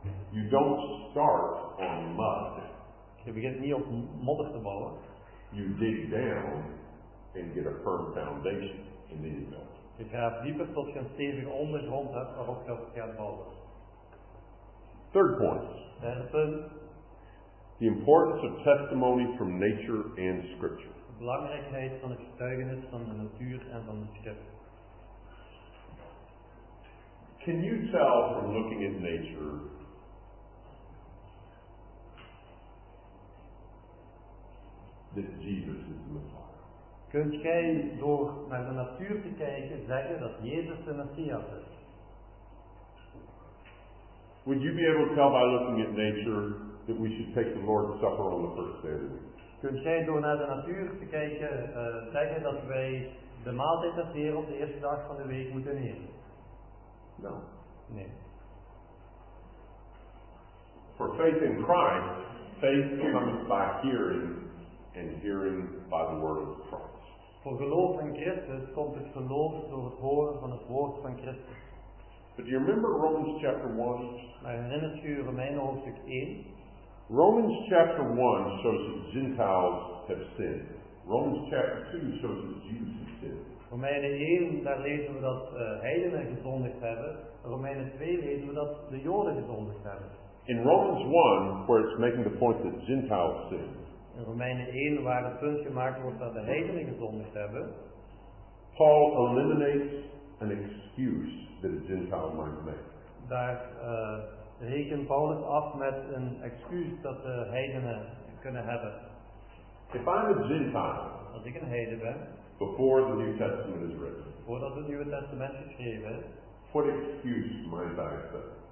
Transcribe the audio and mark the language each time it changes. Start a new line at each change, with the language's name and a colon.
English: You don't start on mud.
Dutch: Je begint niet op modder te bouwen.
English: You dig down and get a firm foundation and then you build.
Dutch: Je gaat dieper tot je een stevige ondergrond hebt waarop je gaat bouwen.
English: Third point.
Dutch: Derde punt.
English: The importance of testimony from nature and scripture.
Dutch: belangrijkheid van de getuigenis van de natuur en van de schrift.
English: Can you tell from looking at nature that Jesus is the Messiah?
Dutch: Kunt jij door naar de natuur te kijken zeggen dat Jezus de Messias is?
English: Would you be able to tell by looking at nature that we should take the Lord's Supper on the first day of the week?
Dutch: Kunt jij door naar de natuur te kijken zeggen dat wij de maaltijd des Heren op de eerste dag van de week moeten nemen?
English: No.
Dutch: Nee.
English: For faith in Christ, faith comes by hearing, and hearing by the word of Christ.
Dutch: Voor geloof in Christus komt het geloof door het horen van het woord van Christus.
English: But do you remember Romans chapter 1?
Dutch: Maar herinnert u Romeinen hoofdstuk 1?
English: Romans chapter 1 shows that Gentiles have sinned. Romans chapter 2 shows that Jews have sinned.
Dutch: Romeinen 1, daar lezen we dat heidenen gezondigd hebben. Romeinen 2 lezen we dat de Joden gezondigd hebben.
English: In Romans 1, where it's making the point that Gentiles sin.
Dutch: In Romeinen 1, waar het punt gemaakt wordt dat de heidenen gezondigd hebben.
English: Paul eliminates an excuse that a Gentile might make.
Dutch: Daar rekent Paulus af met een excuus dat de heidenen kunnen hebben.
English: If I'm a Gentile,
Dutch: als ik een heiden ben.
English: Before the New Testament is written.
Dutch: Voordat het Nieuwe Testament geschreven is.
English: What excuse might I say?